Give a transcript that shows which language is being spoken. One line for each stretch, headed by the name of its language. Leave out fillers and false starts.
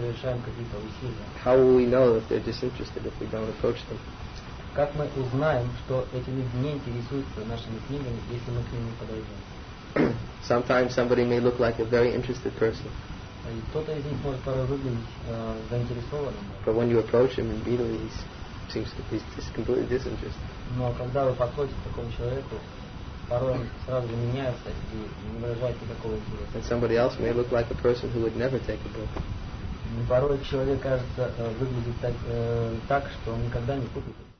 English: How will we know if they're disinterested if we don't approach them?
Russian: Как мы узнаем, что эти люди не интересуются нашими книгами, если мы к ним не подойдем?
English: Sometimes somebody may look like a very interested person.
Russian: Кто-то из них может порой выглядеть заинтересованным.
English: But when you approach him immediately, he seems to be completely disinterested.
Russian: Но когда вы подходите к такому человеку, порой сразу меняется и не выражает никакого интереса.
English: And somebody else may look like a person who would never take a book.
Russian: Порой человек кажется выглядит так, что он никогда не купит.